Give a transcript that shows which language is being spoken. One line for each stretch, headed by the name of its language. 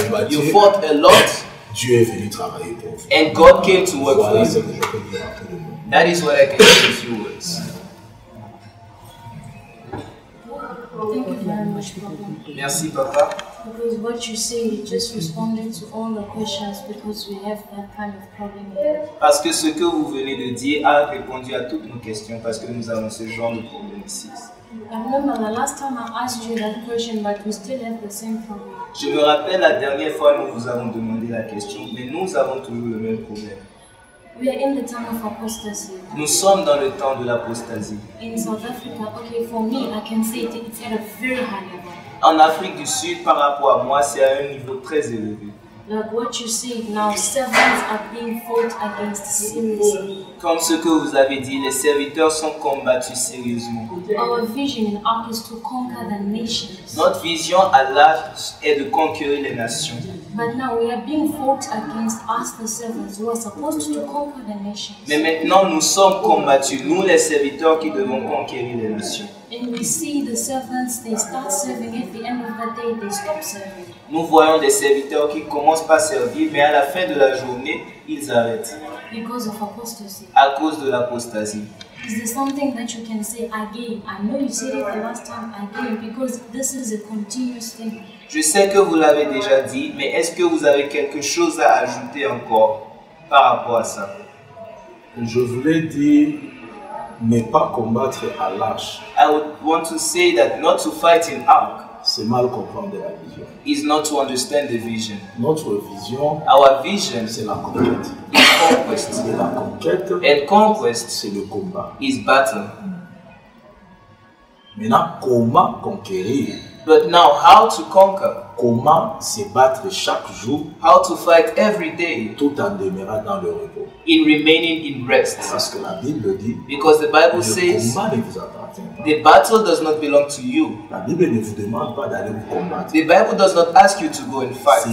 English: You fought a lot, and God came to work for you. That is what I can say in a few words. Thank you very much, Papa.
French: Merci, Papa.
English: Because what you say just responded to all the questions, because we have that kind of problem.
French: Parce que ce que vous venez de dire a répondu à toutes nos questions, parce que nous avons ce genre de problème ici.
English: I remember the last time I asked you that question, but we still have the same problem.
French: Je me rappelle la dernière fois nous vous avons demandé la question, mais nous avons toujours le même problème.
English: We are in the time of apostasy.
French: Nous sommes dans le temps de l'apostasie.
English: In South Africa, okay, for me, I can say it's at a very high level.
French: En Afrique du Sud, par rapport à moi, c'est à un niveau très élevé.
English: Like what you see now, servants are being fought against seriously.
French: Comme ce que vous avez dit, les serviteurs sont combattus sérieusement.
English: Our vision in Ark is to conquer the nations.
French: Notre vision à l'Ark est de conquérir les nations.
English: But now we are being fought against us, the servants, who are supposed to conquer the nations.
French: Mais maintenant nous sommes combattus, nous les serviteurs qui devons conquérir les nations.
English: And we see the servants, they start serving, at the end of the day, they stop serving.
French: Nous voyons des serviteurs qui commencent par servir, mais à la fin de la journée, ils arrêtent.
English: Because of apostasy.
French: À cause de l'apostasie.
English: Is there something that you can say again? I know you said it the last time again, because this is a continuous thing.
French: Je sais que vous l'avez déjà dit, mais est-ce que vous avez quelque chose à ajouter encore par rapport à ça? Je voulais dire ne pas combattre à l'arche.
English: I would want to say that not to fight in Ark.
French: C'est mal comprendre la vision.
English: Is not to understand the vision.
French: Notre vision,
English: our vision,
French: c'est la conquête.
English: Is conquest.
French: C'est la conquête.
English: And conquest,
French: c'est le combat.
English: Is battle.
French: Maintenant, comment conquérir?
English: But now, how to conquer?
French: Comment se battre chaque jour?
English: How to fight every day?
French: Tout en demeurant dans le repos.
English: In remaining in rest.
French: Parce que la Bible le dit.
English: Because the Bible says. The battle does not belong to you.
French: La Bible ne vous demande pas d'aller vous combattre.
English: The Bible does not ask you to go and fight.